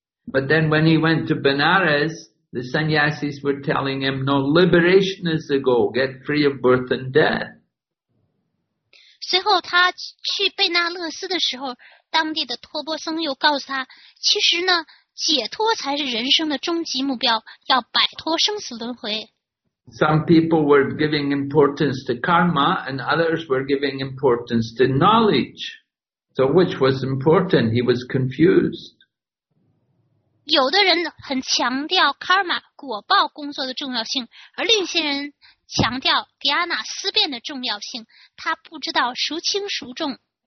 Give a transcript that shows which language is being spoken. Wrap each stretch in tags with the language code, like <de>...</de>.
<en>But then when he went to Benares, the sannyasis were telling him, no, liberation is a goal, get free of birth and death.</en> <zh>最后他去贝纳勒斯的时候，当地的托波僧又告诉他，其实呢，解脱才是人生的终极目标，要摆脱生死轮回。</zh> <en>Some people were giving importance to karma, and others were giving importance to knowledge. So which was important? He was confused.</en> <zh>有的人很强调 karma 果报工作的重要性，而另一些人强调 dhyana 思辨的重要性，他不知道孰轻孰重。</zh>